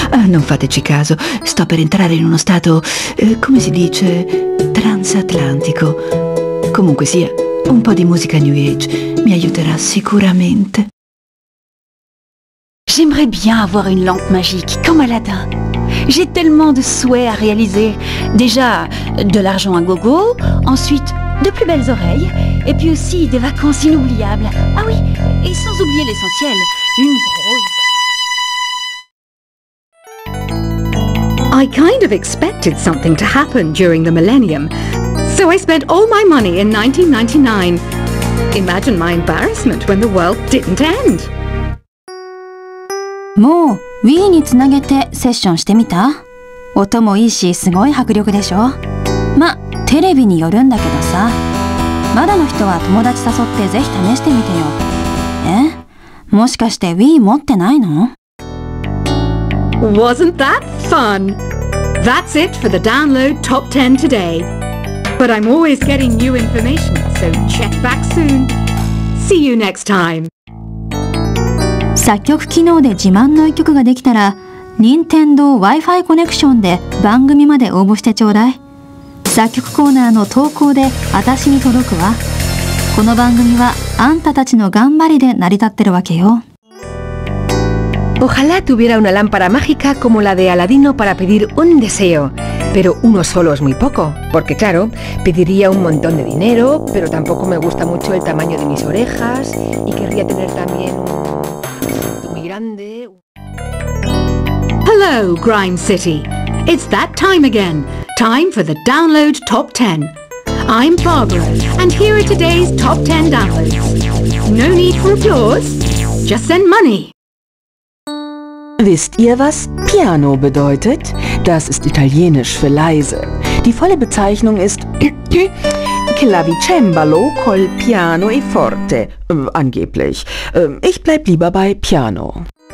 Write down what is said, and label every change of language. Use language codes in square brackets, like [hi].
[it] Non fateci caso, sto per entrare in uno stato, come si dice, transatlantico. Comunque sia, un po' di musica New Age mi aiuterà sicuramente. [fr] J'aimerais bien avoir une lampe magique, comme Aladdin. J'ai tellement de souhaits à réaliser. Déjà, de l'argent à gogo, ensuite, de plus belles oreilles, et puis aussi des vacances inoubliables. Ah oui, et sans oublier l'essentiel, une grosse... [en] I kind of expected something to happen during the millennium, so I spent all my money in 1999. Imagine my embarrassment when the world didn't end. [ja] もう Wii につなげてセッションしてみた？音もいいし、すごい迫力でしょ？ま、テレビによるんだけどさ。まだの人は友達誘ってぜひ試してみてよ。え？もしかして Wii 持ってないの？ [en] Wasn't that fun? That's it for the download top 10 today. But I'm always getting new information, so check back soon. See you next time. [ja] 作曲機能で自慢の一曲ができたら、任天堂 Wi-Fi コネクションで番組まで応募してちょうだい。作曲コーナーの投稿で私に届くわ。この番組はあんたたちの頑張りで成り立ってるわけよ。 [es] Ojalá tuviera una lámpara mágica como la de Aladino para pedir un deseo. Pero uno solo es muy poco, porque claro, pediría un montón de dinero, pero tampoco me gusta mucho el tamaño de mis orejas y querría tener también un cinto muy grande. [en] Hello, Grime City. It's that time again. Time for the download top 10. I'm Barbara, and here are today's top 10 downloads. No need for applause. Just send money. [de] Wisst ihr, was Piano bedeutet? Das ist italienisch für leise. Die volle Bezeichnung ist Clavicembalo col piano e forte, angeblich. Ich bleib lieber bei Piano.